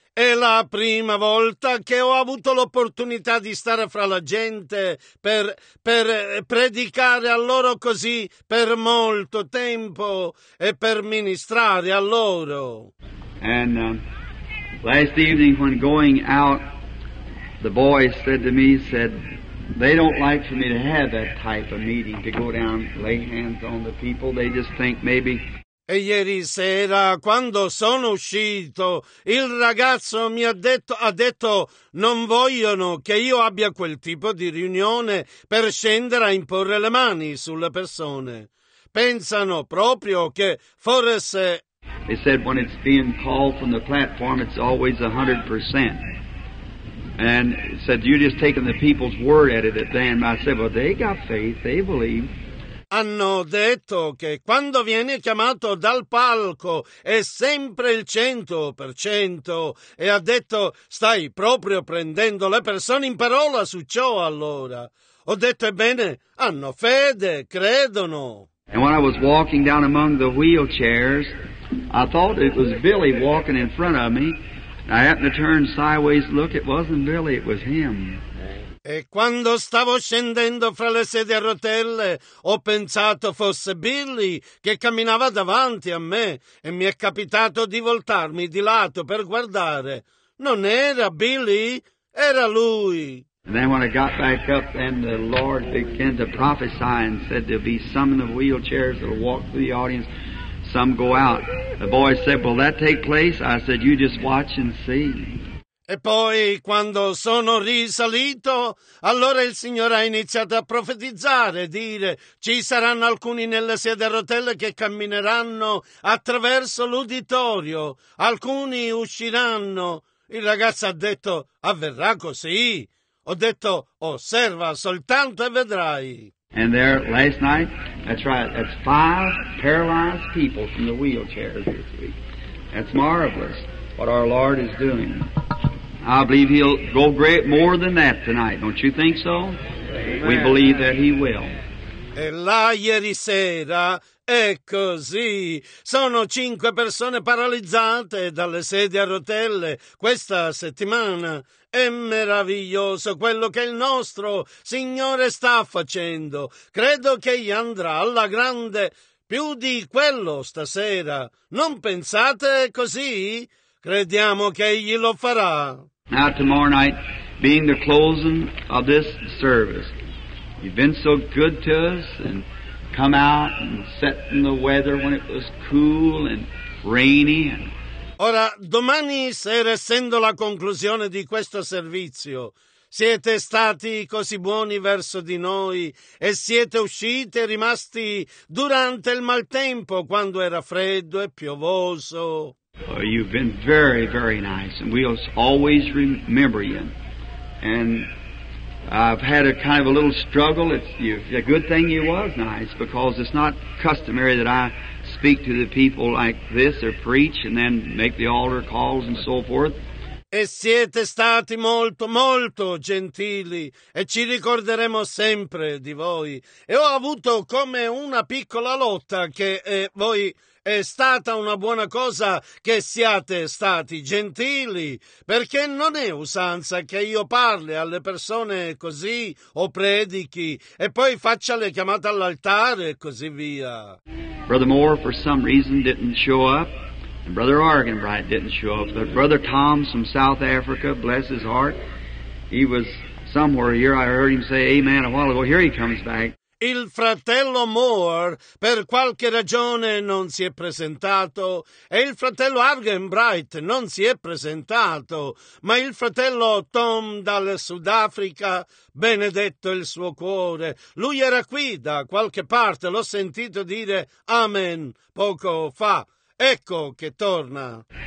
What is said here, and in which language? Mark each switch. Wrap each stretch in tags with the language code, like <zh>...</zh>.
<it>È la prima volta che ho avuto l'opportunità di stare fra la gente per predicare a loro così per molto tempo e per ministrare a loro.</it> <en>And last evening when going out, the boys said to me, said they don't like for me to have that type of meeting, to go down, lay hands on the people. They just think maybe.</en> <it>E ieri sera, quando sono uscito, il ragazzo mi ha detto non vogliono che io abbia quel tipo di riunione per scendere a imporre le mani sulle persone. Pensano proprio che forse.</it> <en>They said when it's being called from the platform, it's always 100%. And said you're just taking the people's word at it. Then I said, well, they got faith, they believe.</en> <it>Hanno detto che quando viene chiamato dal palco è sempre il 100%, e ha detto stai proprio prendendo le persone in parola su ciò allora. Ho detto ebbene, hanno fede, credono.</it> <en>And when I was walking down among the wheelchairs, I thought it was Billy walking in front of me. I happened to turn sideways, look, it wasn't Billy, it was him.</en> <it>E quando stavo scendendo fra le sedie a rotelle, ho pensato fosse Billy che camminava davanti a me e mi è capitato di voltarmi di lato per guardare. Non era Billy, era lui.</it> <en>And then when I got back up, then the Lord began to prophesy and said there'll be some in the wheelchairs that'll walk through the audience, some go out. The boy said, will that take place? I said, you just watch and see.</en> <it>E poi, quando sono risalito, allora il Signore ha iniziato a profetizzare, dire ci saranno alcuni nelle sedie a rotelle che cammineranno attraverso l'uditorio, alcuni usciranno. Il ragazzo ha detto, avverrà così. Ho detto, osserva soltanto e vedrai.</it> <en>And there, last night, that's right, that's five paralyzed people from the wheelchair this week. That's marvelous what our Lord is doing. I believe he'll go great more than that tonight. Don't you think so? Amen. We believe that he will.</en> <it>E là ieri sera è così. Sono cinque persone paralizzate dalle sedie a rotelle questa settimana. È meraviglioso quello che il nostro Signore sta facendo. Credo che gli andrà alla grande più di quello stasera. Non pensate così? Crediamo che egli lo farà.</it> <en>Now tomorrow night, being the closing of this service, you've been so good to us and come out and set in the weather when it was cool and rainy. And</en> <it>ora, domani sera, essendo la conclusione di questo servizio, siete stati così buoni verso di noi e siete usciti e rimasti durante il maltempo quando era freddo e piovoso.</it> <en>Oh, you've been very, very nice, and we'll always remember you. And I've had a kind of a little struggle. It's a good thing you was nice, because it's not customary that I speak to the people like this or preach and then make the altar calls and so forth.</en> <it>E siete stati molto, molto gentili e ci ricorderemo sempre di voi. E ho avuto come una piccola lotta che voi... È stata una buona cosa che siate stati gentili, perché non è usanza che io parli alle persone così o predichi e poi faccia le chiamate all'altare e così via.</it> <en>Brother Moore for some reason didn't show up, and Brother Argenbright didn't show up, but Brother Tom from South Africa, bless his heart, he was somewhere here. I heard him say amen a while ago. Here he comes back.</en> <it>Il fratello Moore per qualche ragione non si è presentato e il fratello Argenbright non si è presentato, ma il fratello Tom dal Sudafrica, benedetto il suo cuore, lui era qui da qualche parte, l'ho sentito dire amen poco fa, ecco che torna.</it>